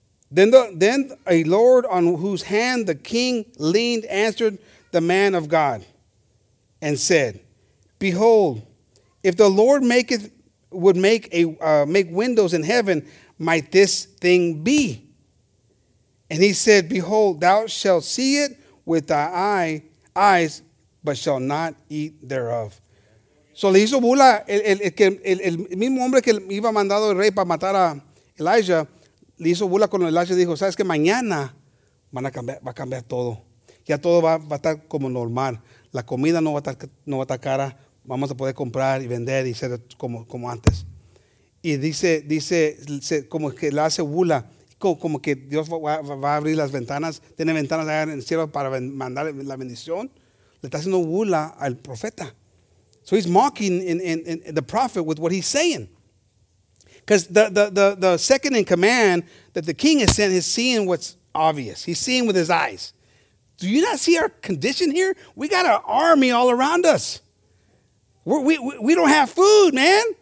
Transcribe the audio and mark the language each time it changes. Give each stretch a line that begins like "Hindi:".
English: Then a lord on whose hand the king leaned answered the man of God and said, Behold, if the Lord would make windows in heaven, might this thing be? And he said, Behold, thou shalt see it with thy eyes, but shall not eat thereof.
Spanish: So le hizo bula el mismo hombre que iba mandado el rey para matar a Elijah. Le hizo bula con Elijah y dijo, sabes que mañana va a cambiar todo. Ya todo va a estar como normal. La comida no va a estar cara. Vamos a poder comprar y vender y ser como antes. Y dice como que le hace bula, como que Dios va a abrir las ventanas, tiene ventanas allá en el cielo para mandar la bendición. Le está haciendo bula al profeta.
English: So he's mocking in the prophet with what he's saying. Because the second in command that the king has sent is seeing what's obvious. He's seeing with his eyes. Do you not see our condition here? We got an army all around us. We don't have food, man.